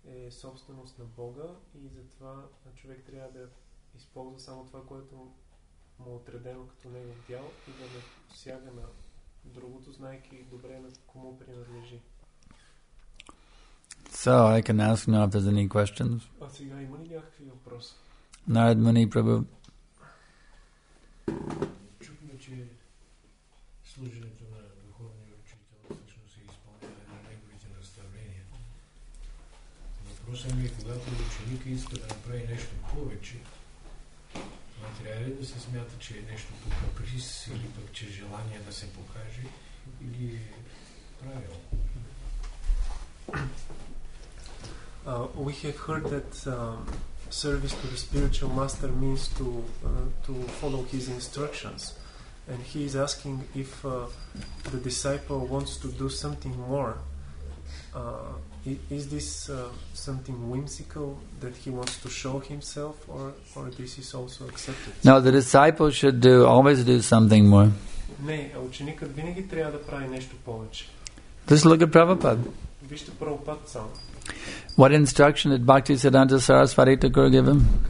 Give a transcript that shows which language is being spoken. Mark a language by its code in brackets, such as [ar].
[bg] Собственост на Бога и затова човек трябва да използва само това, което му е отредено като негов дял и да не посяга на другото, знайки добре на кому принадлежи. [en] So I can ask now if there's any questions. [bg] А сега има ли някакви въпроси? [en] Narad Muni Prabhu. [bg] Чухме, че служението на духовния учител всъщност се изпълнява на неговите наставления. Въпросът ми е, когато ученика иска да направи нещо повече, но трябва ли да се смята, че е нещо по каприз или пък, че желание да се покаже или е правило? [en] We have heard that service to the spiritual master means to follow his instructions. And he is asking if the disciple wants to do something more. Is this something whimsical that he wants to show himself, or this is also accepted? No, the disciple should do always do something more. [bg] Не, ученикът винаги трябва да прави нещо повече. [en] Just look at Prabhupada. [bg] Вижте Прабхупад сам. [en] What instruction did Bhaktisiddhanta Sarasvati Thakur give him?